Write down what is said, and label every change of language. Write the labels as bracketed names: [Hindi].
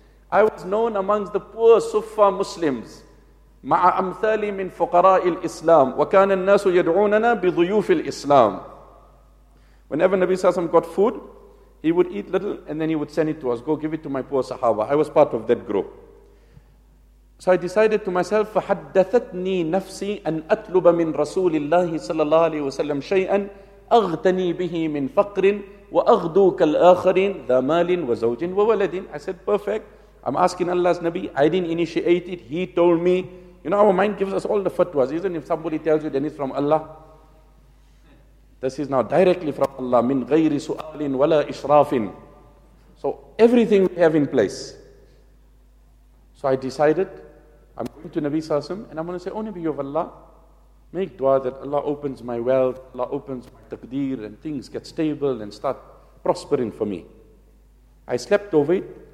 [English] I was known amongst the poor Suffa Muslims. [Arabic] مَعَ أَمْثَالِ مِنْ فُقَرَاءِ الْإِسْلَامِ وَكَانَ النَّاسُ يَدْعُونَنَا بِضُيُوفِ الْإِسْلَامِ [English] Whenever Nabi Sallallahu Alaihi Wasallam got food, he would eat little and then he would send it to us. Go give it to my poor Sahaba. I was part of that group. So I decided to myself, [Arabic] فَحَدَّثَتْنِي نَفْسِي أَنْ أَتْلُبَ مِنْ رَسُولِ اللَّهِ صَلَى اللَّهِ عَلَيْهِ وَسَلَّمْ شَيْئًا أَغْتَنِي بِهِ مِنْ فَقْرٍ وَأَغْدُوكَ الْآخَرِينَ ذَا مَالٍ وَزَوْجٍ وَوَلَدٍ [English] I said, perfect. I'm asking Allah's Nabi. I didn't initiate it. He told me. You know, our mind gives us all the fatwas, isn't it? If somebody tells you, then it's from Allah. This is now directly from Allah. [Arabic] مِنْ غَيْرِ سُؤَالٍ وَلَا إِشْرَافٍ [English] So everything we have in place. So I decided, I'm going to Nabi Sallallahu Alaihi Wasallam, and I'm going to say, O Nabi of Allah, make dua that Allah opens my wealth, Allah opens my taqdeer, and things get stable and start prospering for me. I slept over it.